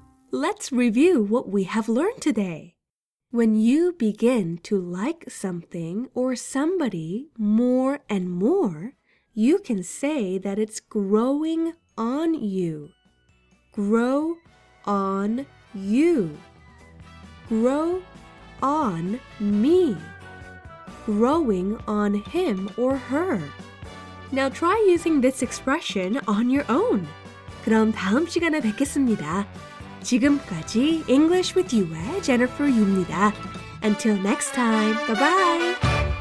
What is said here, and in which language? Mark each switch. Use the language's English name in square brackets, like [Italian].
[English] Let's review what we have learned today. When you begin to like something or somebody more and more, you can say that it's growing on you. Grow on you. Grow on me. Growing on him or her. Now try using this expression on your own. [Korean] 그럼 다음 시간에 뵙겠습니다. 지금까지 English with You의 Jennifer Yu입니다. [English] Until next time, bye-bye!